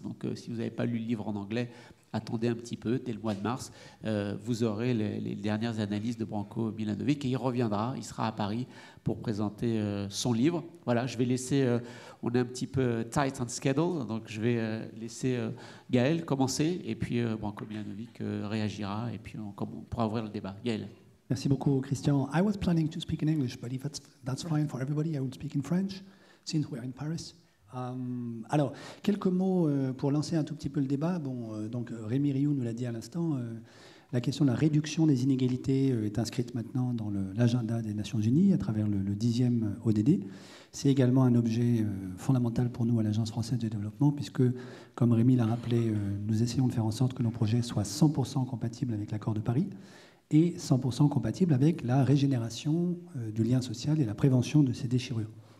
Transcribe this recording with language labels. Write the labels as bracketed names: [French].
[French] Donc, si vous n'avez pas lu le livre en anglais, attendez un petit peu, dès le mois de mars, vous aurez les dernières analyses de Branko Milanovic et il reviendra, il sera à Paris pour présenter son livre. Voilà, je vais laisser, on est un petit peu [English] tight on schedule, [French] donc je vais laisser Gaël commencer et puis Branko Milanovic réagira et puis on pourra ouvrir le débat. Gaël. Merci beaucoup, Christian. [English] I was planning to speak in English, but if that's fine for everybody, I would speak in French, since we are in Paris. [French] Alors, quelques mots pour lancer un tout petit peu le débat. Bon, donc Rémi Rioux nous l'a dit à l'instant, la question de la réduction des inégalités est inscrite maintenant dans l'agenda des Nations Unies à travers le 10e ODD. C'est également un objet fondamental pour nous à l'Agence française de développement puisque, comme Rémi l'a rappelé, nous essayons de faire en sorte que nos projets soient 100% compatibles avec l'accord de Paris et 100% compatibles avec la régénération du lien social et la prévention de ces déchirures.